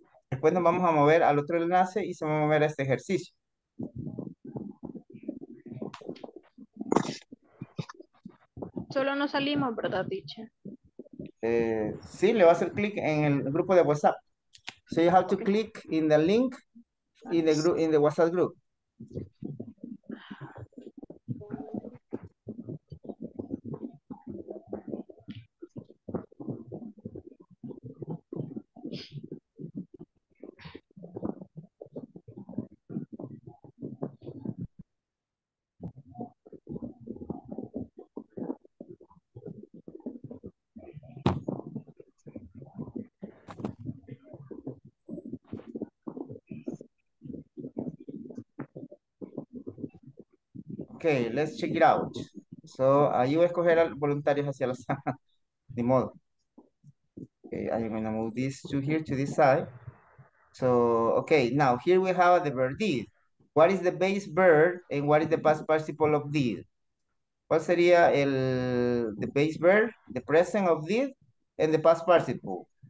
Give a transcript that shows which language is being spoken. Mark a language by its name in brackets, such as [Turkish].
[Spanish] Después nos vamos a mover al otro enlace y se va a mover a este ejercicio. Solo no salimos, ¿verdad, teacher? Sí, le va a hacer clic en el grupo de WhatsApp. [English] So you have to click in the link in the group, in the WhatsApp group. Okay, let's check it out. [Spanish] So, ahí voy a escoger voluntarios hacia la sala. Ni modo. [English] Okay, I'm going to move these two here to this side. So, okay, now here we have the verb did. What is the base verb and what is the past participle of did? [Spanish] ¿Cuál sería [English] the base verb, the present of did, and the past participle?